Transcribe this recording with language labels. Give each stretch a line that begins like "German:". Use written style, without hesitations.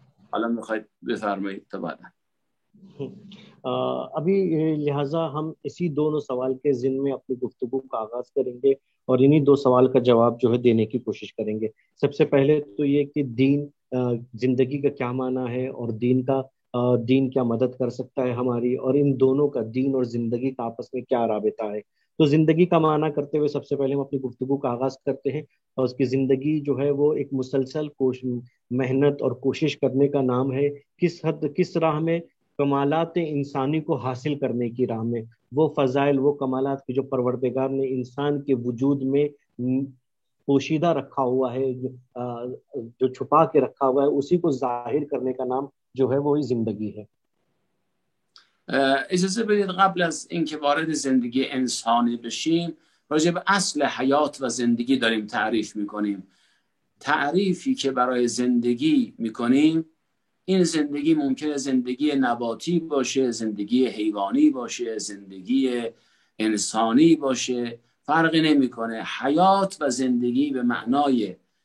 Persian: حالا می خواهید بفرمایید تا بعد؟
Urdu: ابھی لہٰذا ہم اسی دونوں سوال کے ذن میں اپنی گفتگو کا آغاز کریں گے اور انہی دو سوال کا جواب جو ہے دینے کی کوشش کریں گے. سب سے پہلے تو یہ کہ دین زندگی کا کیا معنی ہے اور دین کا دین کیا مدد کر سکتا ہے ہماری، اور ان دونوں کا دین اور زندگی کا آپس میں کیا رابطہ ہے. تو زندگی کا معنی کرتے ہوئے سب سے پہلے ہم اپنی گفتگو کا آغاز کرتے ہیں، اور اس کی زندگی جو ہے وہ ایک مسلسل محنت اور کوشش کرنے کا نام ہے. کس حد کس راہ میں کمالات انسانی کو حاصل کرنے کی راہ میں وہ فضائل وہ کمالات کی جو پروردگار نے انسان کے وجود میں پوشیدہ رکھا ہوا ہے، جو چھپا کے رکھا ہوا ہے، اسی کو ظاہر کرنے کا نام جو ہے وہی زندگی ہے.
Persian: اجازه بدید قبل از اینکه وارد زندگی انسانی بشیم راجع به اصل حیات و زندگی داریم تعریف میکنیم. تعریفی که برای زندگی میکنیم، این زندگی ممکنه زندگی نباتی باشه، زندگی حیوانی باشه، زندگی انسانی باشه، فرقی نمیکنه. حیات و زندگی به معنای